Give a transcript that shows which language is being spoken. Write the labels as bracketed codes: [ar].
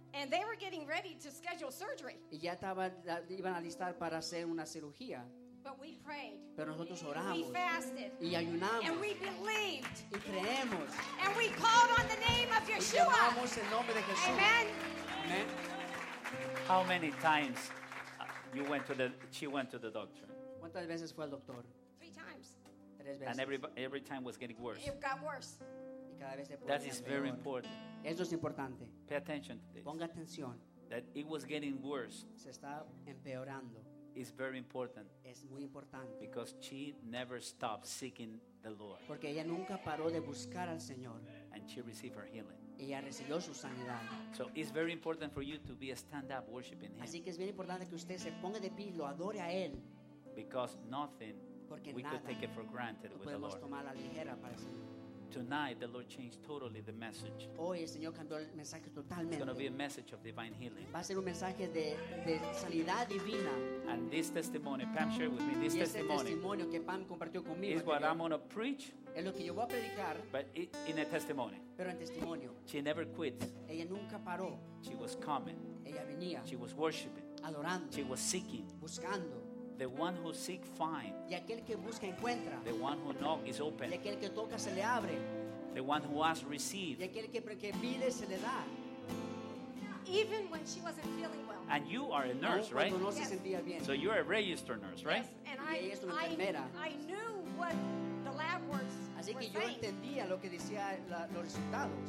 [en] And they were getting ready to schedule surgery. [es] Y ya iban a listar para hacer una cirugía. [en] But we prayed. [es] Pero nosotros oramos. [en] We fasted. [es] Y ayunamos. [en] And we believed. [es] Y creemos. [en] And we called on the name of Yeshua. [es] Y llamamos el nombre de Jesús. Amen. Amen. [en] How many times you went to the? She went to the doctor. [es] ¿Cuántas veces fue al doctor? [en] Three times. [es] Tres veces. [en] And every time was getting worse. It got worse. [es] Y cada vez se ponía. [en] That is very important. [es] Eso es importante. [en] Pay attention to this. [es] Ponga atención. [en] That it was getting worse. [es] Se está empeorando. [en] Is very important. [es] Es muy importante. [en] Because she never stopped seeking the Lord. [es] Porque ella nunca paró de buscar al Señor. [en] And she received her healing. [es] Y ella recibió su sanidad. [en] So it's very important for you to be a stand up worshiping Him. [es] Así que es bien importante que usted se ponga de pie, lo adore a él. [en] Because nothing [es] Porque [en] we [es] nada [en] could take it for granted with the Lord. [es] Podemos tomar la ligera para el Señor. [en] Tonight the Lord changed totally the message. [es] Hoy el Señor cambió el mensaje totalmente. [en] It's going to be a message of divine healing. [es] Va a ser un mensaje de sanidad divina. [en] And this testimony Pam shared with me, this [es] testimonio que Pam compartió conmigo [en] is what I'm going to preach. [es] Es lo que yo voy a predicar. [en] But in a testimony. [es] Pero en testimonio. [en] She never quit. [es] Ella nunca paró. [en] She was coming. [es] Ella venía. [en] She was worshiping. [es] Adorando. [en] She was seeking. [es] Buscando. [en] The one who seeks finds. [es] Y aquel que busca encuentra. [en] The one who knocks is open. [es] Y aquel que toca se le abre. [en] The one who asks receives. Y aquel que pide se le da. Even when she wasn't feeling well. And you are a nurse, right? [es] No se sentía bien. [en] So you're a registered nurse, right? Yes, and I knew what the lab works. [es] Así que yo entendía lo que decía los resultados.